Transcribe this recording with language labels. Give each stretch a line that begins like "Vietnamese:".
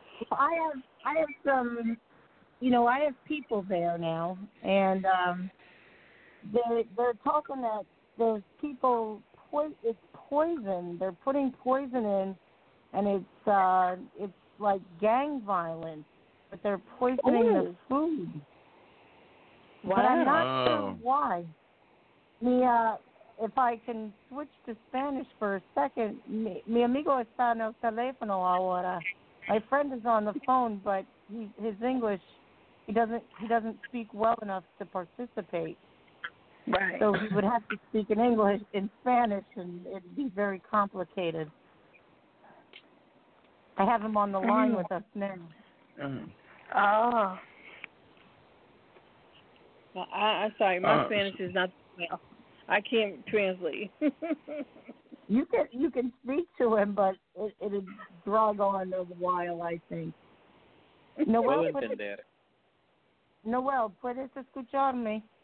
English: I have some, you know, I have people there now, and they're talking that there's people it's poison. They're putting poison in, and it's like gang violence, but they're poisoning the food. Wow. But I'm not sure why. If I can switch to Spanish for a second,
Spanish: mi amigo está en el teléfono ahora.
English: My friend is on the phone, but his English, he doesn't speak well enough to participate. Right. So he would have to speak in English, in Spanish, and it'd be very complicated. I have him on the line with us now. Mm-hmm. Oh. Well, I'm sorry, my Spanish is not well. I can't translate. You can speak to him, but it'd drag on a while, I think.
Spanish: Noel, ¿puedes escucharme?